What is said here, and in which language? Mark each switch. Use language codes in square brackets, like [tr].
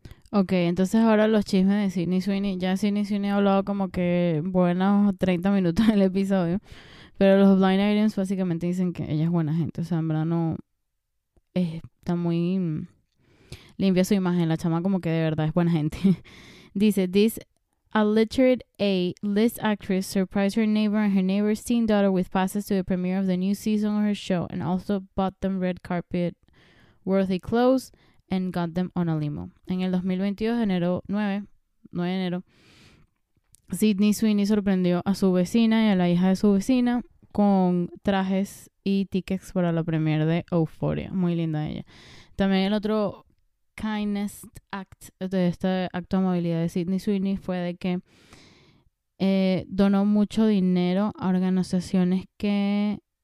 [es] Ok, entonces ahora los chismes de Sydney Sweeney. Ya Sydney Sweeney ha hablado como que buenos 30 minutos del episodio. Pero los blind items básicamente dicen que ella es buena gente. O sea, en verdad no. Está muy limpia su imagen. La chama como que de verdad es buena gente. [en] Dice, this alleged A-list actress surprised her neighbor and her neighbor's teen daughter with passes to the premiere of the new season of her show and also bought them red carpet worthy clothes and got them on a limo. [es] En el 2022, enero 9, 9 de enero, Sydney Sweeney sorprendió a su vecina y a la hija de su vecina con trajes y tickets para la premiere de Euphoria. Muy linda ella. También el otro [en] kindest act [es] de este acto de amabilidad de Sydney Sweeney fue de que donó mucho dinero a organizaciones que